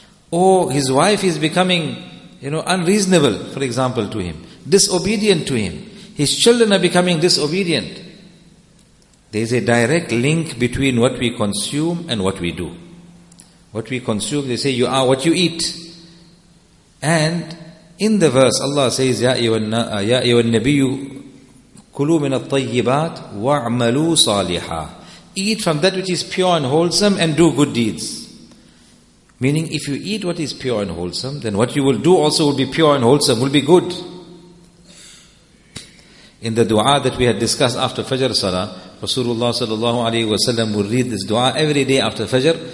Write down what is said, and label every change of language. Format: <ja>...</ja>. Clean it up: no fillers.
<en>Or his wife is becoming, you know, unreasonable, for example, to him. Disobedient to him. His children are becoming disobedient. There is a direct link between what we consume and what we do. What we consume, they say, you are what you eat. And in the verse, Allah says,</en> <ar>يَا أَيُّهَا النَّبِيُّ كُلُوا مِنَ الطَّيِّبَاتِ وَعْمَلُوا صَالِحًا.</ar> <en>Eat from that which is pure and wholesome and do good deeds. Meaning, if you eat what is pure and wholesome, then what you will do also will be pure and wholesome, will be good. In the dua that we had discussed after Fajr Salah, Rasulullah sallallahu alayhi wa sallam would read this dua every day after Fajr.</en>